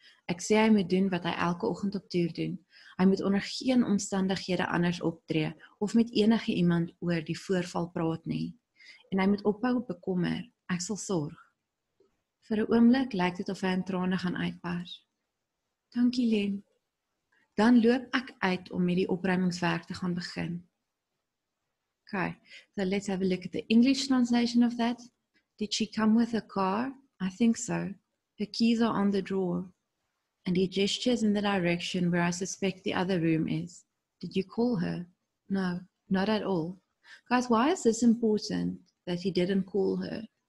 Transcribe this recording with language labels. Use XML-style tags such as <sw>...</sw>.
<af>Ek sê hy moet doen wat hy elke oggend op toer doen. Hy moet onder geen omstandighede anders optree of met enige iemand oor die voorval praat nie. En hy moet ophou bekommer. Ek sal sorg. Vir 'n oomblik lyk dit of hy in trane gaan uitbars. Dankie, Len. Dan loop ek uit om met die opruimingswerk te gaan begin.</af> <en>Okay, so let's have a look at the English translation of that. Did she come with a car? I think so. Her keys are on the drawer. And he gestures in the direction where I suspect the other room is. Did you call her? No, not at all. Guys, why is this important that he didn't call her?</en>